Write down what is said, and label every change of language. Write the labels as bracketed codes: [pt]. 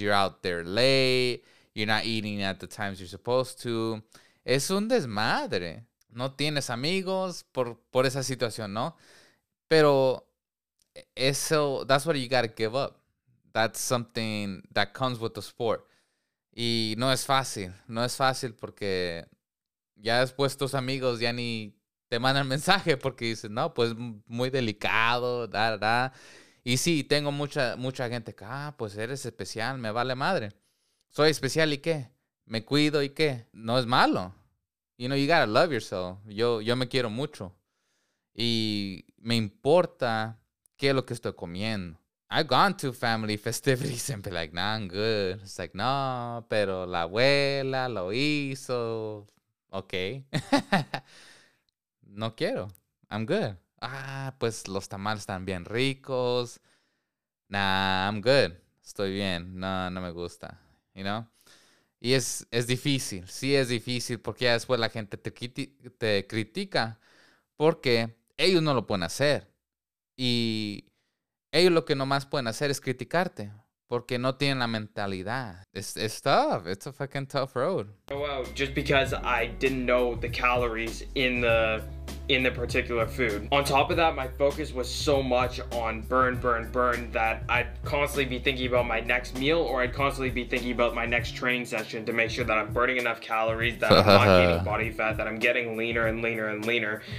[en] You're out there late. You're not eating at the times you're supposed to. [es] Es un desmadre. No tienes amigos por esa situación, ¿no? Pero eso, [en] that's what you got to give up. That's something that comes with the sport. [es] Y no es fácil. No es fácil porque ya después tus amigos ya ni te mandan mensaje porque dicen, no, pues muy delicado, da, da, da. Y sí, tengo mucha gente que, pues eres especial, me vale madre. Soy especial, ¿y qué? Me cuido, ¿y qué? No es malo. [en] You know, you gotta love yourself. [es] Yo me quiero mucho. Y me importa qué es lo que estoy comiendo. [en] I've gone to family festivities and be like, nah, I'm good. It's like, [es] no, pero la abuela lo hizo. Okay. No quiero. [en] I'm good. [es] Ah, pues los tamales están bien ricos. [en] Nah, I'm good. [es] Estoy bien. No me gusta. [en] You know? [es] Y es difícil. Sí es difícil porque ya después la gente te critica porque ellos no lo pueden hacer. Y ellos lo que nomás pueden hacer es criticarte. Porque no tienen la mentalidad. [en] It's tough. It's a fucking tough road. Oh, wow. Just because I didn't know the calories in the particular food. On top of that, my focus was so much on burn that I'd constantly be thinking about my next meal, or I'd constantly be thinking about my next training session to make sure that I'm burning enough calories, that I'm not gaining body fat, that I'm getting leaner.